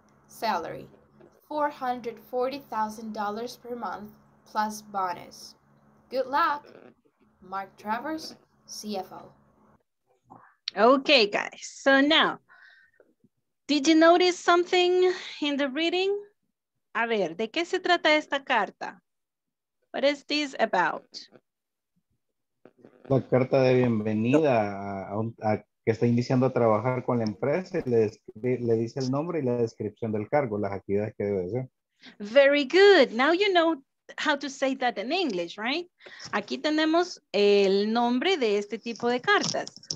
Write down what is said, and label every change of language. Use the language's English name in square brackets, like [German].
[English] Salary, $440,000 per month plus bonus. Good luck, Mark Travers, CFO. Okay, guys, so now, did you notice something in the reading? [Spanish] A ver, ¿de qué se trata esta carta? [English] What is this about? [Spanish] La carta de bienvenida a que está iniciando a trabajar con la empresa, le dice el nombre y la descripción del cargo, las actividades que debe hacer. [English] Very good. Now you know how to say that in English, right? [Spanish] Aquí tenemos el nombre de este tipo de cartas.